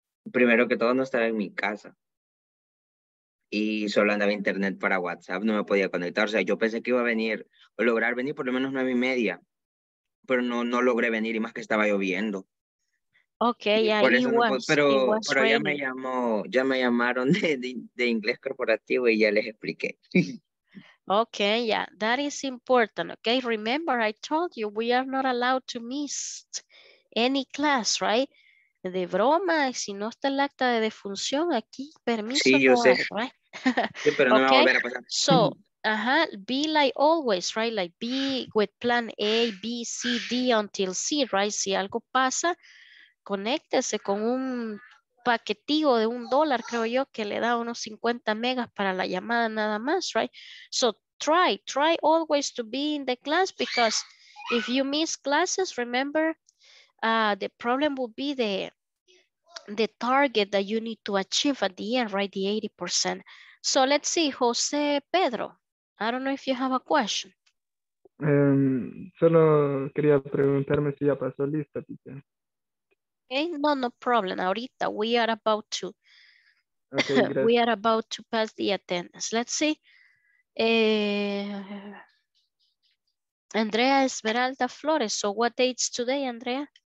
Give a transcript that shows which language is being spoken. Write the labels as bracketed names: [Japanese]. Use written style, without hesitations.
[Spanish] Primero que todo, no estaba en mi casa. Y solo andaba internet para WhatsApp, no me podía conectar. O sea, yo pensé que iba a venir, o lograr venir por lo menos 9:30. Pero no logré venir, y más que estaba lloviendo. [English] Okay, yeah, [Spanish] pero ya me llamaron de inglés corporativo y ya les expliqué. [English] Okay, yeah, that is important. Okay, remember I told you we are not allowed to miss any class, right? [Spanish] De broma, si no está el acta de defunción aquí, permiso. Sí, yo sé. Right? Sí, pero no, okay. Me va a volver a pasar. [English] So, be like always, right? Like be with plan A, B, C, D until C, right? [Spanish] Si algo pasa, conéctese con un paquetito de $1, creo yo, que le da unos 50 megas para la llamada nada más, right? [English] So try always to be in the class, because if you miss classes, remember, the problem will be the target that you need to achieve at the end, right? The 80%. So let's see, Jose Pedro, I don't know if you have a question. [Spanish] Solo quería preguntarme si ya pasó lista, tita. [English] Okay, no problem. Ahorita we are about to we are about to pass the attendance. Let's see. Andrea Esmeralda Flores. So what day is today, Andrea?